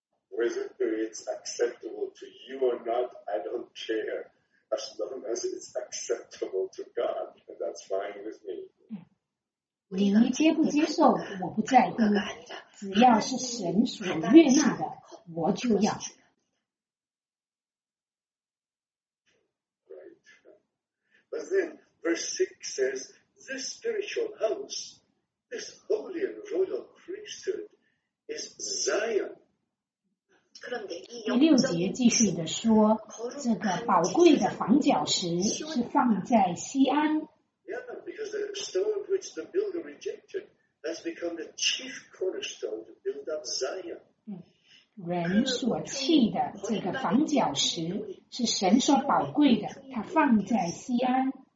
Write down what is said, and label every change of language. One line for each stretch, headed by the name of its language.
English: Whether it's acceptable to you or not, I don't care. As long as it's acceptable to God, that's fine with me.
Chinese: 你接不接受，我不在乎。只要是神所悦纳的，我就要。
English: But then verse 6 says, this spiritual house, this holy and royal priesthood is Zion.
Chinese: 第六节继续地说，这个宝贵的房角石是放在西安。
English: Yeah, because the stone which the builder rejected has become the chief cornerstone to build up Zion.
Chinese: 人所弃的这个房角石是神所宝贵的，它放在西安。